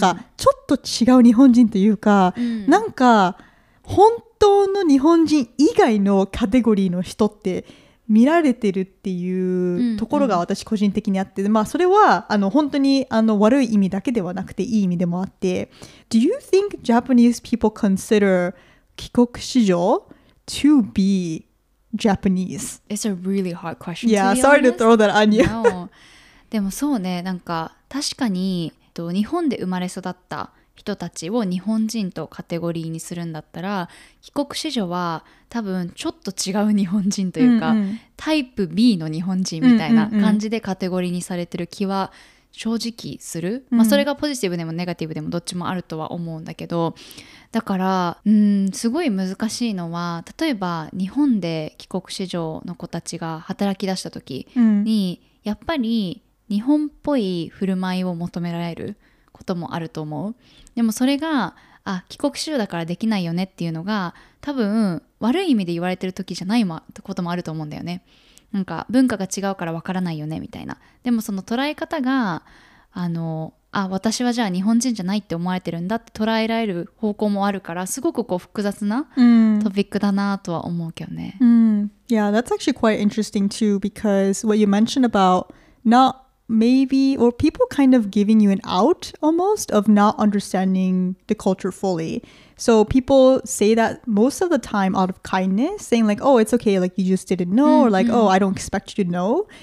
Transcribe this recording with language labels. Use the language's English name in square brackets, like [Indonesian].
[Japanese] なんかちょっと違う日本人というか、mm-hmm. なんか本当の日本人以外のカテゴリーの人って見られてるっていうところが私個人的にあって、うんうん、まあそれは本当に悪い意味だけではなくていい意味でもあって、 [English] Do you think Japanese people consider 帰国子女 to be Japanese? It's a really hard question. Yeah, to sorry to throw that on you. No. [Japanese] でもそうね、なんか確かに日本で生まれ育った人たちを日本人とカテゴリーにするんだったら、帰国子女は多分ちょっと違う日本人というか、うんうん、タイプ B の日本人みたいな感じでカテゴリーにされてる気は正直する、うんうん、まあ、それがポジティブでもネガティブでもどっちもあるとは思うんだけど、だからすごい難しいのは、例えば日本で帰国子女の子たちが働き出した時に、うん、やっぱり日本っぽい振る舞いを求められることもあると思う。でもそれが帰国子女だからできないよねっていうのが多分悪い意味で言われてる時じゃないこともあると思うんだよね。なんか文化が違うからわからないよねみたいな。でもその捉え方が私はじゃあ日本人じゃないって思われてるんだって捉えられる方向もあるから、すごくこう複雑なトピックだなとは思うけどね。 [English] Yeah, that's actually quite interesting too, because what you mentioned about notMaybe, or people kind of giving you an out almost of not understanding the culture fully. So people say that most of the time out of kindness, saying like, oh, it's okay, like you just didn't know, mm-hmm. or like, oh, I don't expect you to know.